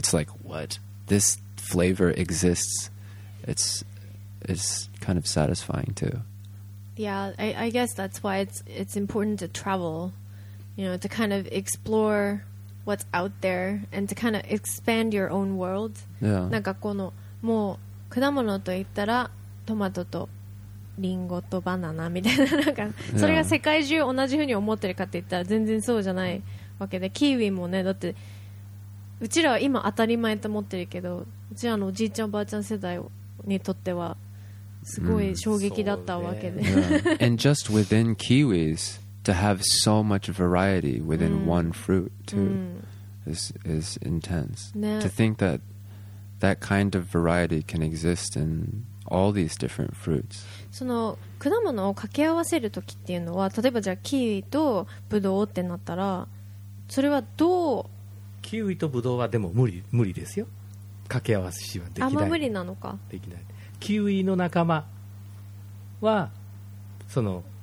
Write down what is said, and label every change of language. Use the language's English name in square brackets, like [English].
[English] It's like, what? This flavor exists. It's kind of satisfying too. Yeah, I guess that's why it's important to travel, you know, to kind of explore what's out there and to kind of expand your own world. Yeah. [Japanese] なんかこのもう果物と言ったらトマトとリンゴとバナナみたいな、なんかそれが世界中同じふうに思ってるかって言ったら全然そうじゃないわけで、キウイもね、だってうちらは今当たり前と思ってるけど、うちらのおじいちゃんおばあちゃん世代にとってはすごい衝撃だったわけで、 [English] yeah. And just within kiwis, to have so much variety within one fruit too is intense、 [Japanese] ね、 [English] to think that kind of variety can exist in all these different fruits. [Japanese] その果物を掛け合わせるときっていうのは、例えばじゃあキウイとブドウってなったら、それはどう、キウイとブドウはでも無理ですよ、掛け合わせしはできない。あんま無理なのか。できない。キウイの仲間はその